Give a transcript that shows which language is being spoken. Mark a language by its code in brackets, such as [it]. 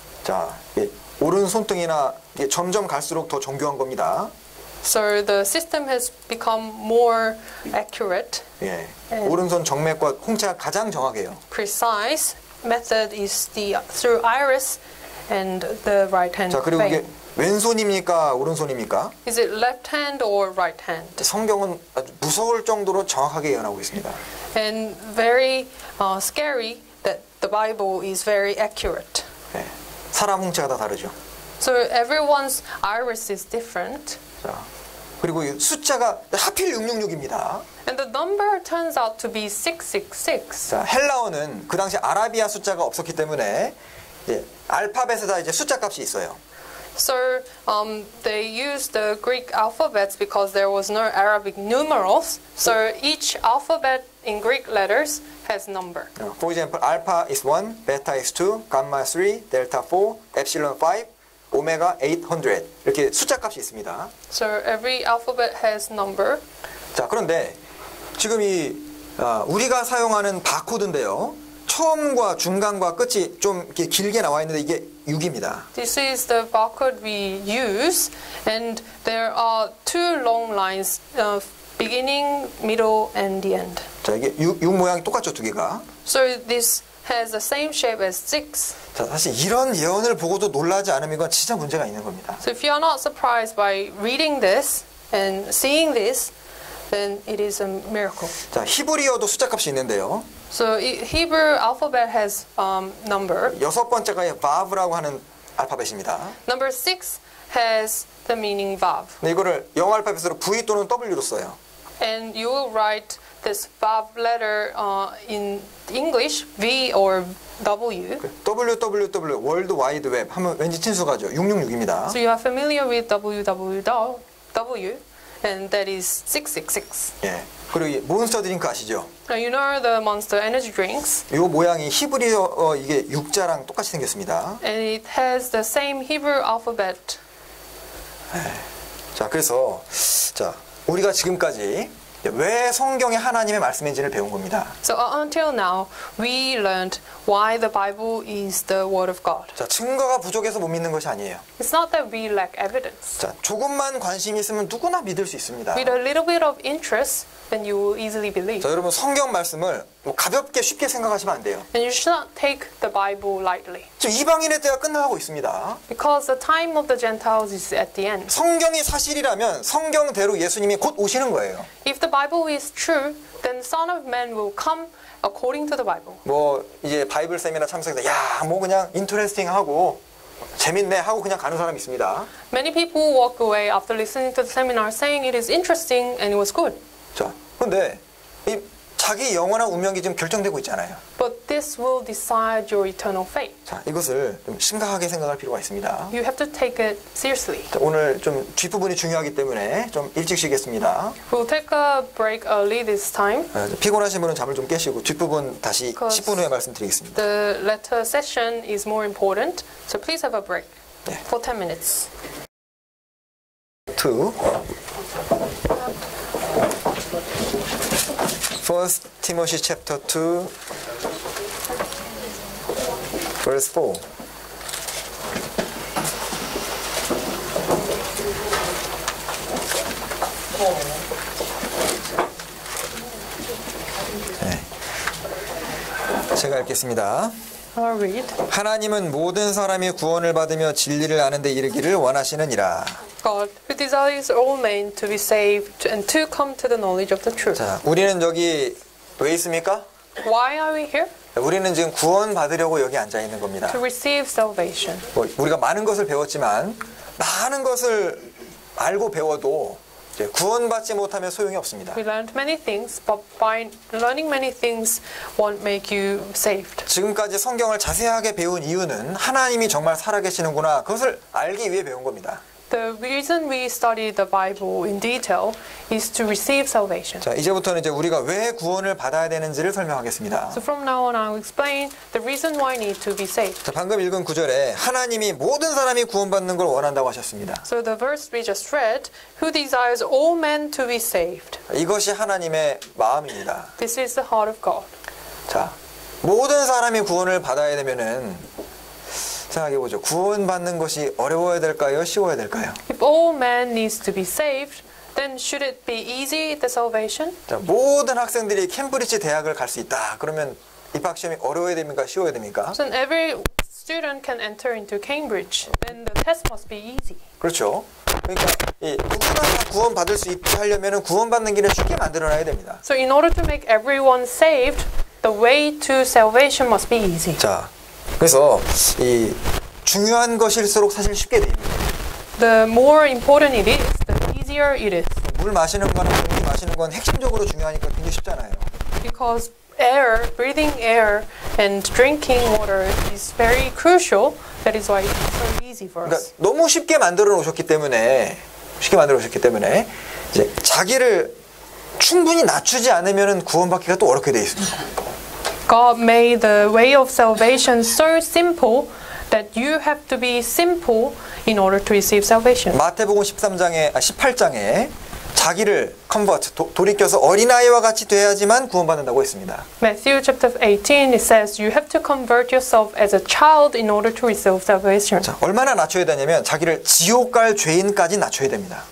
[ko] 자, 예, 오른 손등이나 예, 점점 갈수록 더 정교한 겁니다. [en] So the system has become more accurate. [ko] 예, 오른손 정맥과 홍차 가장 정확해요. [en] Precise method is the through iris and the right hand. [ko] 자, 그리고 이게 왼손입니까, 오른손입니까? [en] Is it left hand or right hand? [ko] 성경은 아주 무서울 정도로 정확하게 예언하고 있습니다. [en] And very scary that the Bible is very accurate. [ko] 예, 사람 홍차가 다 다르죠. [en] So everyone's iris is different. [ko] 자, 그리고 이 숫자가 하필 666입니다. [en] And the number turns out to be 666. [ko] 자, 헬라어는 그 당시 아라비아 숫자가 없었기 때문에 이제 알파벳에 다 이제 숫자 값이 있어요. [en] So they used the Greek alphabets because there was no Arabic numerals. So each alphabet in Greek letters has number. For example, alpha is 1, beta is 2, gamma 3, delta 4, epsilon 5. [ko] Omega 800 이렇게 숫자 값이 있습니다. [en] So every alphabet has number. [ko] 자, 그런데 지금 이 우리가 사용하는 바코드인데요. 처음과 중간과 끝이 좀 이렇게 길게 나와 있는데 이게 6입니다. [en] This is the barcode we use, and there are two long lines of beginning, middle, and the end. [ko] 자, 이게 6 모양이 똑같죠, 두 개가. [en] So this has the same shape as 6. [ko] 자, 사실 이런 예언을 보고도 놀라지 않으면 이건 진짜 문제가 있는 겁니다. [en] So if you are not surprised by reading this and seeing this, then it is a miracle. [ko] 자, 히브리어도 숫자값이 있는데요. [en] So Hebrew alphabet has number. [ko] 여섯 번째가 vav라고 하는 알파벳입니다. [en] Number 6 has the meaning vav. [ko] 네, 이거를 영어 알파벳으로 v 또는 w로 써요. [en] And you will write this vav letter in English, V or W. [ko] WWW, World Wide Web 하면 왠지 친숙하죠. 666입니다. [en] So you are familiar with WWW, and that is 666. [ko] 예. 그리고 이 몬스터 드링크 아시죠? [en] Now you know the Monster Energy Drinks. [ko] 이 모양이 히브리어 이게 육자랑 똑같이 생겼습니다. [en] And it has the same Hebrew alphabet. [ko] 예. 자, 그래서 자, 우리가 지금까지 왜 성경이 하나님의 말씀인지를 배운 겁니다. [en] So until now, we learned why the Bible is the word of God. [ko] 자, 증거가 부족해서 못 믿는 것이 아니에요. [en] It's not that we lack evidence. [ko] 자, 조금만 관심 있으면 누구나 믿을 수 있습니다. [en] With a little bit of interest, then you will easily believe. [ko] 자, 여러분 성경 말씀을 뭐 가볍게 쉽게 생각하시면 안 돼요. [en] And you should not take the Bible lightly. [ko] 지금 이방인의 때가 끝나고 있습니다. [en] Because the time of the Gentiles is at the end. [ko] 성경이 사실이라면 성경대로 예수님이 곧 오시는 거예요. [en] If the Bible is true, then the Son of Man will come according to the Bible. [ko] 뭐 이제 바이블 세미나 참석해서 야, 뭐 그냥 interesting 하고 재밌네 하고 그냥 가는 사람이 있습니다. [en] Many people walk away after listening to the seminar saying it is interesting and it was good. [ko] 자, 근데 이 자기 영원한 운명이 지금 결정되고 있잖아요. [en] But this will decide your eternal fate. [ko] 자, 이것을 좀 심각하게 생각할 필요가 있습니다. [en] You have to take it seriously. [ko] 자, 오늘 좀 뒷부분이 중요하기 때문에 좀 일찍 쉬겠습니다. [en] We'll take a break early this time. [ko] 네, 피곤하신 분은 잠을 좀 깨시고 뒷부분 다시 10분 후에 말씀드리겠습니다. [en] The latter session is more important, so please have a break for 10 minutes. 2. First Timothy chapter 2, verse 4. [ko] Oh. 네. 제가 읽겠습니다. [en] I'll read. [ko] 하나님은 모든 사람이 구원을 받으며 진리를 아는 데 이르기를 원하시느니라. [en] God who desires all men to be saved and to come to the knowledge of the truth. [ko] 자, 우리는 여기 왜 있습니까? [en] Why are we here? [ko] 우리는 지금 구원 받으려고 여기 앉아 있는 겁니다. [en] To receive salvation. [ko] 뭐, 우리가 많은 것을 배웠지만 많은 것을 알고 배워도 이제 구원 받지 못하면 소용이 없습니다. [en] We learned many things, but by learning many things won't make you saved. [ko] 지금까지 성경을 자세하게 배운 이유는 하나님이 정말 살아계시는구나 그것을 알기 위해 배운 겁니다. [en] The reason we study the Bible in detail is to receive salvation. [ko] 자, 이제부터는 이제 우리가 왜 구원을 받아야 되는지를 설명하겠습니다. [en] So from now on I'll explain the reason why I need to be saved. [ko] 자, 방금 읽은 구절에 하나님이 모든 사람이 구원받는 걸 원한다고 하셨습니다. [en] So the verse we just read, who desires all men to be saved. [ko] 이것이 하나님의 마음입니다. [en] This is the heart of God. [ko] 자, 모든 사람이 구원을 받아야 되면은 생각해 보죠. 구원 받는 것이 어려워야 될까요? 쉬워야 될까요? [en] If all men needs to be saved, then should it be easy the salvation? [ko] 자, 모든 학생들이 캠브리지 대학을 갈 수 있다. 그러면 입학 시험이 어려워야 됩니까? 쉬워야 됩니까? [en] So every student can enter into Cambridge, then the test must be easy. [ko] 그렇죠. 그러니까 이 누구나 구원 받을 수 있게 하려면은 구원 받는 길을 쉽게 만들어 놔야 됩니다. [en] So in order to make everyone saved, the way to salvation must be easy. [ko] 자, 그래서 이 중요한 것일수록 사실 쉽게 돼요. [en] The more important it is, the easier it is. [ko] 물 마시는 거나 공기 마시는 건 핵심적으로 중요하니까 굉장히 쉽잖아요. [en] Because air, breathing air and drinking water is very crucial. That is why it's so easy for us. [ko] 그러니까 너무 쉽게 만들어 놓으셨기 때문에 이제 자기를 충분히 낮추지 않으면은 구원받기가 또 어렵게 돼 있습니다. [en] God made the way of salvation so simple that you have to be simple in order to receive salvation. [ko] 마태복음 13장에 18장에 자기를 convert 돌이켜서 어린아이와 같이 되어야지만 구원받는다고 했습니다. [en] Matthew chapter 18 it says you have to convert yourself as a child in order to receive salvation. [ko] 자, 얼마나 낮춰야 되냐면 자기를 지옥 갈 죄인까지 낮춰야 됩니다.